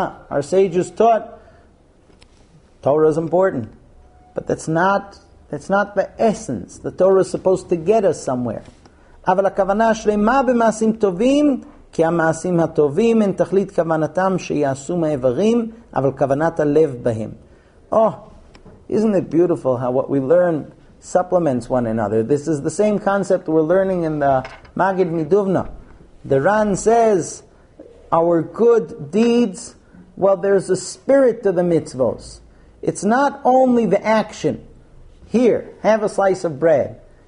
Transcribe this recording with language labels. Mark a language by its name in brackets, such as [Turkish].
[English] Our sages taught Torah is important, but that's not the essence. The Torah is supposed to get us somewhere. [Hebrew] אבל הכוונה שלמה במעשים טובים, כי המעשים הטובים הן תכלית כוונתם שיעשו מעברים, אבל כוונת הלב בהם. [English] Oh, isn't it beautiful how what we learn supplements one another? This is the same concept we're learning in the Magid Miduvna. The Ran says, our good deeds, well, there's a spirit to the mitzvos. It's not only the action. Here, have a slice of bread.